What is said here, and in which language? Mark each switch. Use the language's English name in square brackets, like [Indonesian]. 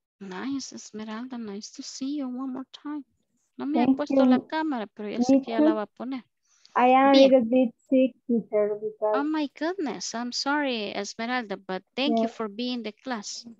[English] Nice, Esmeralda, nice to see you one more time. [Spanish] No me ha puesto la cámara, pero ya sé que ya la va a poner. [English] I am a little bit sick, teacher, because... Oh my goodness, I'm sorry, Esmeralda, but thank you for being in the class.